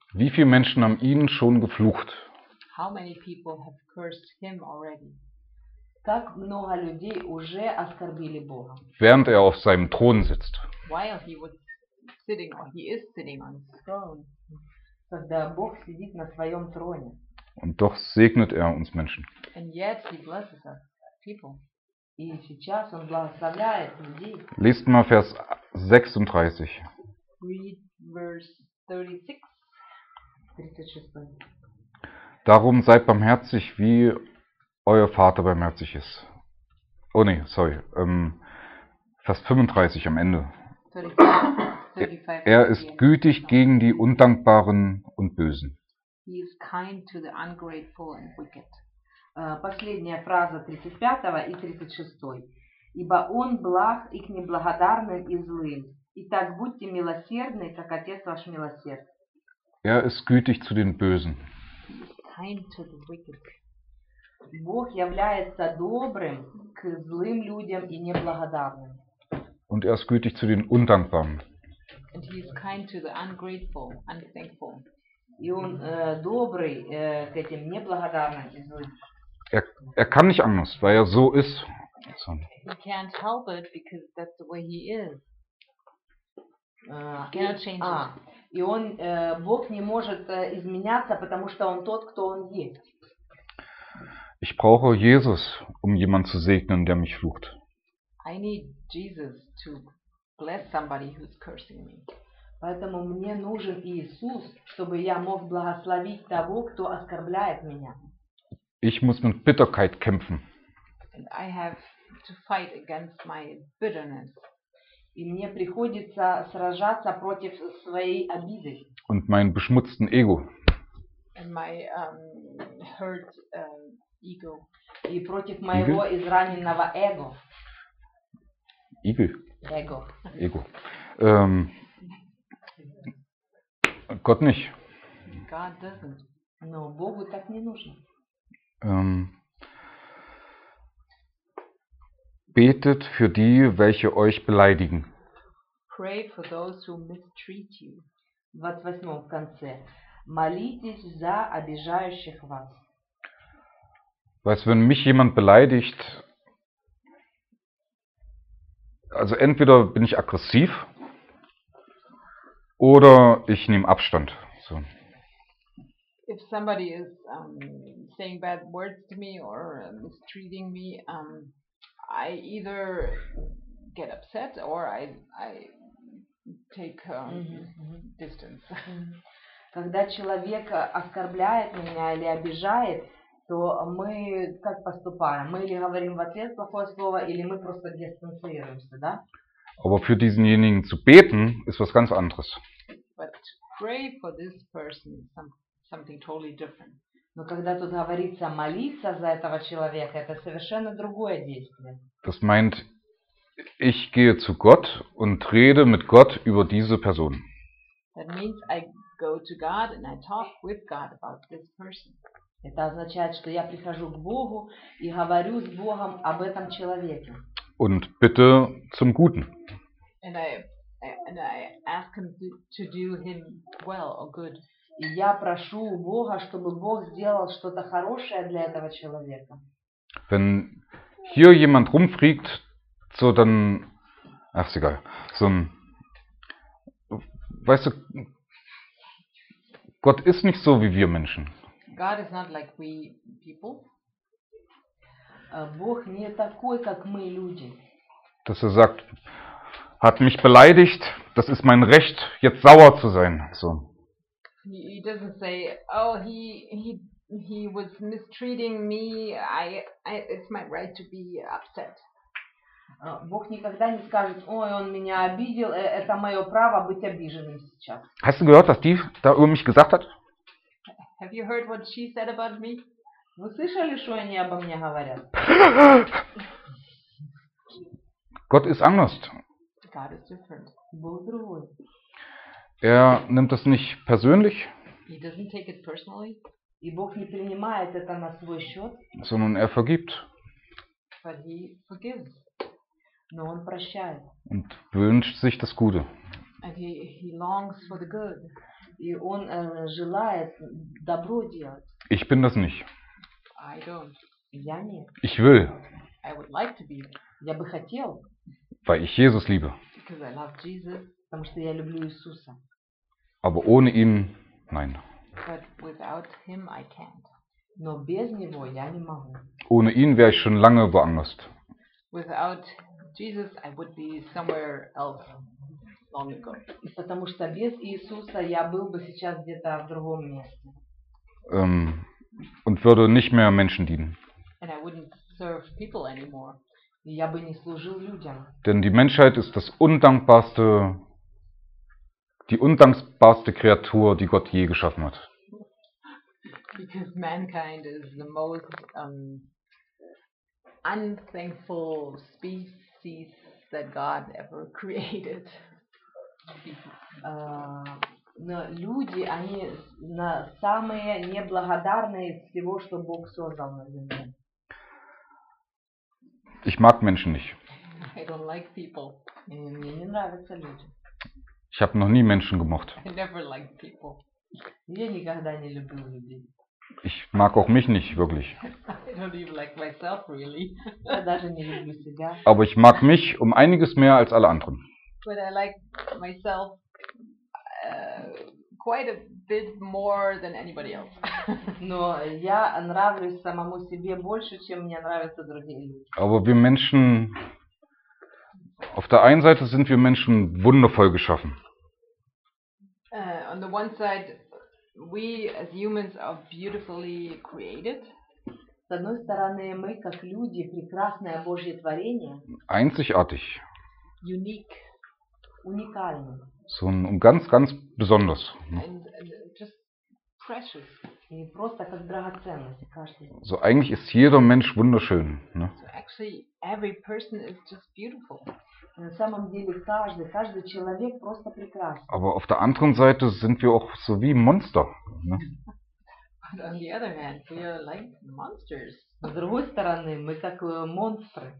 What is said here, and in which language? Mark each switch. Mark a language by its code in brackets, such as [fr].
[de] Wie viele Menschen haben ihn schon geflucht? [en] How many people have cursed him already? [ru] Как много людей уже оскорбили Бога. [de] Während er auf seinem Thron sitzt. [en] While he was sitting, or he is sitting on his throne. [ru] Когда Бог сидит на своем троне. [de] Und doch segnet er uns Menschen. [en] And yet he blesses us, people. [ru] И сейчас он благословляет людей. [de] Lest mal Vers 36. [en] Read verse 36. [de] Darum seid barmherzig wie euer Vater barmherzig ist. Oh ne, sorry. Vers 35 am Ende. 35. Er ist gütig gegen die Undankbaren und Bösen. [en] He is kind to the ungrateful and wicked. [ru] Последняя фраза 35 и 36. Ибо он благ и к неблагодарным и злым. Итак, будьте милосердны, как Отец ваш милосерд. [de] Er ist gütig zu den Bösen. [en] He is kind to the wicked. [ru] Бог является добрым к злым людям и неблагодарным. [de] Und er ist gütig zu den Undankbaren. [en] And he is kind to the ungrateful, unthankful. [ru] И он добрый к этим неблагодарным и злым. [de] Er kann nicht anders, weil er so ist. So. [en] He can't help it because that's the way he is. Cannot change it. [ru] И он Бог не может изменяться, потому что он тот, кто он есть. [de] Ich brauche Jesus, um jemanden zu segnen, der mich flucht. [en] I need Jesus to bless somebody who's cursing me. [ru] Поэтому мне нужен Иисус, чтобы я мог благословить того, кто оскорбляет меня. [de] Ich muss mit Bitterkeit kämpfen. [en] And I have to fight against my bitterness. [ru] И мне приходится сражаться против своей обиды. [de] Und mein beschmutzten Ego. [en] And my hurt ego. [ru] И против моего Игл? Израненного эго. Игл? Эго. Эго. [de] Gott nicht. [en] God doesn't. [ru] Но Богу так не нужно. [de] Betet für die, welche euch beleidigen. [en] Pray for those who mistreat you. [ru] 28 в конце. Молитесь за обижающих вас. [de] Weißt du, wenn mich jemand beleidigt, also entweder bin ich aggressiv oder ich nehme Abstand. So. [en] If somebody is saying bad words to me or mistreating me, I either get upset or I take distance. [ru] Когда человек оскорбляет меня или обижает, то мы как поступаем? Мы или говорим в ответ плохое слово, или мы просто дистанцируемся, да? [de] Aber für diesenjenigen zu beten ist was ganz anderes. [en] But pray for this person is something totally different. [ru] Но когда тут говорится молиться за этого человека, это совершенно другое действие. [de] Das meint, ich gehe zu Gott und rede mit Gott über diese Person. [en] That means I go to God and I talk with God about this person. [ru] Это означает, что я прихожу к Богу и говорю с Богом об этом человеке. [de] Und bitte zum Guten. [en] And I ask him to do him well or good. [ru] И я прошу у Бога, чтобы Бог сделал что-то хорошее для этого человека. [de] Wenn hier jemand rumfliegt, so dann, ach, ist egal, so ein, weißt du, Gott ist nicht so wie wir Menschen. [en] God is not like we people. [ru] Бог не такой, как мы люди. [de] Dass er sagt, hat mich beleidigt, das ist mein Recht, jetzt sauer zu sein, so. [en] He doesn't say, oh, he was mistreating me. It's my right to be upset. [ru] Бог никогда не скажет, ой, он меня обидел. Это мое право быть обиженным сейчас. [de] Hast du gehört, was die da über mich gesagt hat? [en] Have you heard what she said about me? [ru] Вы слышали, что они обо мне говорят? [de] Gott ist anders. [en] God is different. [ru] Бог другой. [de] Er nimmt das nicht persönlich. [en] He doesn't take it personally. [ru] И Бог не принимает это на свой счет. [de] Sondern er vergibt. [en] But he forgives. [ru] Но он прощает. [de] Und wünscht sich das Gute. [en] And he longs for the good. [ru] И он желает добро делать. [de] Ich bin das nicht. [en] I don't. [ru] Я нет. [de] Ich will. [en] I would like to be. [ru] Я бы хотел. [de] Weil ich Jesus liebe. [en] Because I love Jesus. [ru] Потому что я люблю Иисуса. [de] Aber ohne ihn, nein. [en] But without him, I can't. [ru] Но без него я не могу. [de] Ohne ihn wäre ich schon lange woanders. [en] Without Jesus, I would be somewhere else long ago. [ru] Потому что без Иисуса я был бы сейчас где-то в другом месте. [de] Und würde nicht mehr Menschen dienen. [en] And I wouldn't serve people anymore. [ru] Я бы не служил людям. [de] Denn die Menschheit ist das undankbarste, die undankbarste Kreatur, die Gott je geschaffen hat. [en] Because mankind is the most unthankful species that God ever created. [ru] Но люди, они на самые неблагодарные из всего, что Бог создал на земле. [de] Ich mag Menschen nicht. [en] I don't like people. [ru] Мне не нравятся люди. [de] Ich habe noch nie Menschen gemocht. [en] I never liked people. [ru] Я никогда не любил людей. [de] Ich mag auch mich nicht wirklich. [en] I don't even like myself really. [ru] Я даже не люблю себя. [de] Aber ich mag mich um einiges mehr als alle anderen. [en] But I like myself quite a bit more than anybody else. [ru] Но я нравлюсь самому себе больше, чем мне нравятся другие люди. [de] Aber wir Menschen, auf der einen Seite sind wir Menschen wundervoll geschaffen. [en] On the one side, we as humans are beautifully created. [ru] С одной стороны, мы как люди прекрасное Божье творение. [de] Einzigartig. [en] Unique. [ru] Уникальны. [de] So und ganz, ganz besonders. [en] And just precious. [ru] И просто как драгоценность. [de] So eigentlich ist jeder Mensch wunderschön. Ne? [en] So actually every person is just beautiful. [ru] На самом деле каждый человек просто прекрасен. [de] Aber auf der anderen Seite sind wir auch so wie Monster. Ne? [en] But on the other hand, we are like monsters. [ru] С другой стороны, мы как монстры.